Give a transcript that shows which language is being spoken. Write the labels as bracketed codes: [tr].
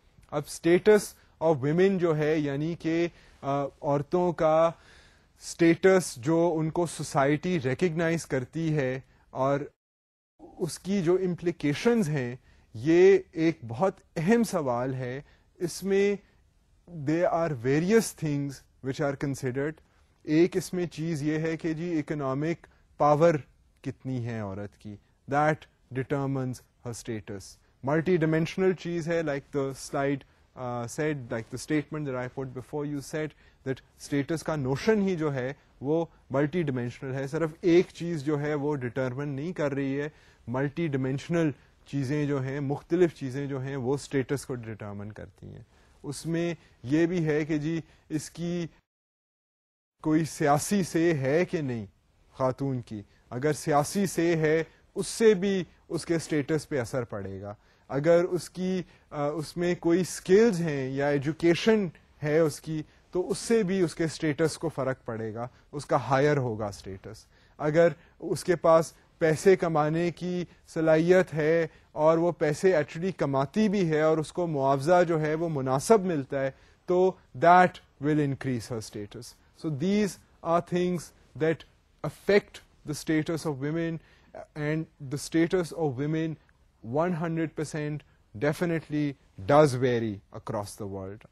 [ur] اب status of women جو ہے یعنی کہ عورتوں کا status جو ان کو society recognize کرتی ہے اور اس کی جو implications ہیں یہ ایک بہت اہم سوال ہے. اس میں [en] there are various things which are considered. [ur] ایک اس میں چیز یہ ہے کہ جی اکنامک پاور کتنی ہے عورت کی, [en] That determines her status. [ur] Multi dimensional چیز ہے, [en] like the slide said, like the statement that I put before you said, [ur] that status کا نوشن ہی جو ہے وہ ملٹی ڈائمینشنل ہے. صرف ایک چیز جو ہے وہ ڈیٹرمن نہیں کر رہی ہے, ملٹی ڈائمینشنل چیزیں جو ہیں, مختلف چیزیں جو ہیں وہ اسٹیٹس کو ڈیٹرمن کرتی ہیں. اس میں یہ بھی ہے کہ جی اس کی کوئی سیاسی سے ہے کہ نہیں خاتون کی. اگر سیاسی سے ہے اس سے بھی اس کے سٹیٹس پہ اثر پڑے گا. اگر اس کی اس میں کوئی سکلز ہیں یا ایجوکیشن ہے اس کی تو اس سے بھی اس کے سٹیٹس کو فرق پڑے گا, اس کا ہائر ہوگا سٹیٹس. اگر اس کے پاس پیسے کمانے کی صلاحیت ہے اور وہ پیسے ایکچولی کماتی بھی ہے اور اس کو معاوضہ جو ہے وہ مناسب ملتا ہے تو [en] That will increase her status. So these are things that affect the status of women, and the status of women 100% definitely does vary across the world.